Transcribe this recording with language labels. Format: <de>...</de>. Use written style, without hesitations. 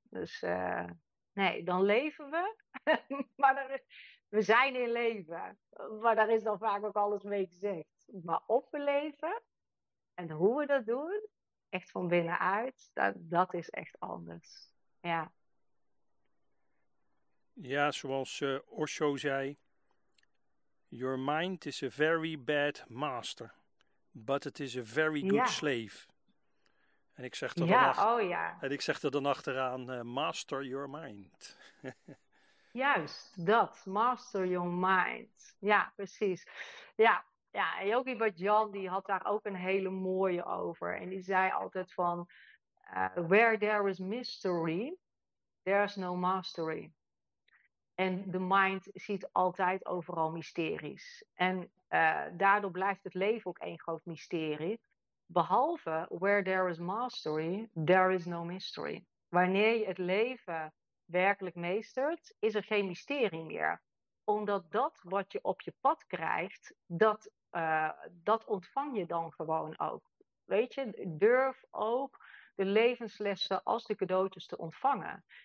<nl>Dus nee, dan leven we. Maar we zijn in leven. Maar daar is dan vaak ook alles mee gezegd. Maar of we leven en hoe we dat doen, echt van binnenuit, dat is echt anders. Ja. Ja, zoals Osho zei,</nl> <en>your mind is a very bad master, but it is a very good slave.</en> <nl>En ik zeg er ja, dan oh ja. En ik zeg er dan achteraan,</nl> <en>master your mind.</en> <nl>Juist, dat,</nl> <en>master your mind.</en> <nl>Ja, precies. Ja, en Yogi Bhajan die had daar ook een hele mooie over. En die zei altijd van,</nl> <en>where there is mystery, there is no mastery.</en> <nl>En de mind ziet altijd overal mysteries. En daardoor blijft het leven ook één groot mysterie. Behalve</nl> <en>where there is mastery, there is no mystery.</en> <nl>Wanneer je het leven werkelijk meestert, is er geen mysterie meer. Omdat dat wat je op je pad krijgt, dat ontvang je dan gewoon ook. Weet je, durf ook de levenslessen als de cadeautjes te ontvangen.</nl>